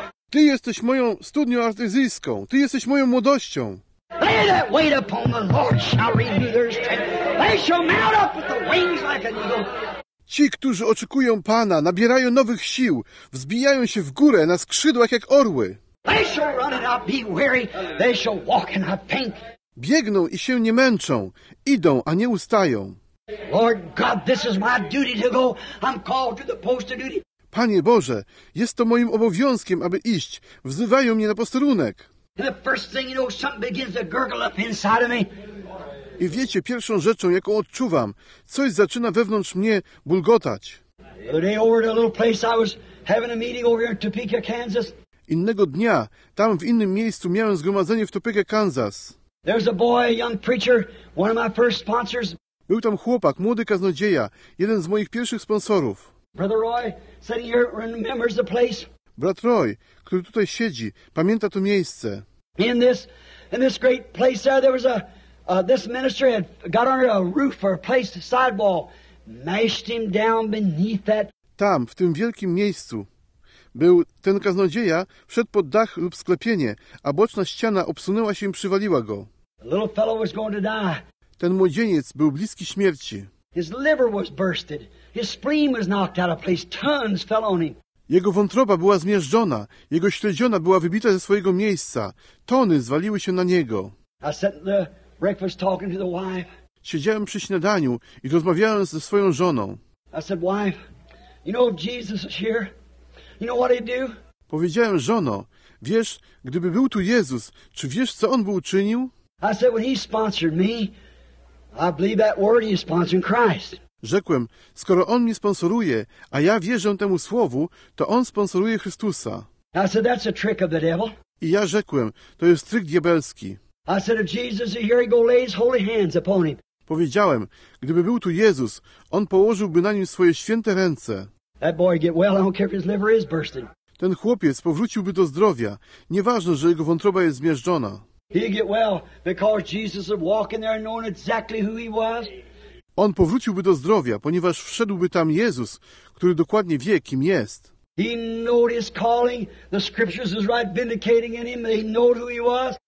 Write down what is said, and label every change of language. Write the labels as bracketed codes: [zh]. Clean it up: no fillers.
[pl] Ty jesteś moją studnią artezyjską. Ty jesteś moją młodością. [en] They that wait upon the Lord shall renew their strength. They shall mount up with the wings like an eagle. [pl] Ci, którzy oczekują Pana, nabierają nowych sił, wzbijają się w górę na skrzydłach jak orły. [en] They shall run and not be weary. They shall walk and not faint. [pl] Biegną i się nie męczą, idą, a nie ustają. [en] Lord God, this is my duty to go. I'm called to the post of duty. [pl] Panie Boże, jest to moim obowiązkiem, aby iść. Wzywają mnie na posterunek. [en] And the first thing you know, something begins to gurgle up inside of me. [pl] I wiecie, pierwszą rzeczą, jaką odczuwam, coś zaczyna wewnątrz mnie bulgotać. [en] The day over at a little place, I was having a meeting over here in Topeka, Kansas. [pl] Innego dnia, tam w innym miejscu miałem zgromadzenie w Topeka, Kansas. [en] There's a boy, a young preacher, one of my first sponsors. [pl] Był tam chłopak, młody kaznodzieja, jeden z moich pierwszych sponsorów. [en] Brother Roy, sitting here, remembers the place. [pl] Brat Roy, który tutaj siedzi, pamięta to miejsce. [en] In this great place there was this minister had got under a roof or placed a sidewall, mashed him down beneath that. [pl] Tam, w tym wielkim miejscu, był ten kaznodzieja, wszedł pod dach lub sklepienie, a boczna ściana obsunęła się i przywaliła go. [en] The little fellow was going to die. [pl] Ten młodzieniec był bliski śmierci. [en] His liver was bursted, his spleen was knocked out of place, tons fell on him. [pl] Jego wątroba była zmiażdżona, jego śledziona była wybita ze swojego miejsca. Tony zwaliły się na niego. [en] I sat at the breakfast talking to the wife. [pl] Siedziałem przy śniadaniu i rozmawiałem ze swoją żoną. [en] I said, wife, you know if Jesus is here, you know what he'd do? [pl] Powiedziałem, żono, wiesz, gdyby był tu Jezus, czy wiesz, co on by uczynił? [en] I said, when he sponsored me, I believe that word he is sponsoring Christ. [pl] Rzekłem, skoro on mnie sponsoruje, a ja wierzę temu słowu, to on sponsoruje Chrystusa. [en] I said, that's a trick of the devil. [pl] I ja rzekłem, to jest trik diabelski. [en] I said, if Jesus is here, he go lay his holy hands upon him. [pl] Powiedziałem, gdyby był tu Jezus, on położyłby na nim swoje święte ręce. [en] That boy get well, I don't care if his liver is bursting. [pl] Ten chłopiec powróciłby do zdrowia, nieważne, że jego wątroba jest zmiażdżona. [en] He'd get well because Jesus would walk in there knowing exactly who he was. [pl] On powróciłby do zdrowia, ponieważ wszedłby tam Jezus, który dokładnie wie, kim jest. [en] He knew his calling, the scriptures was right vindicating in him, he knew who he was.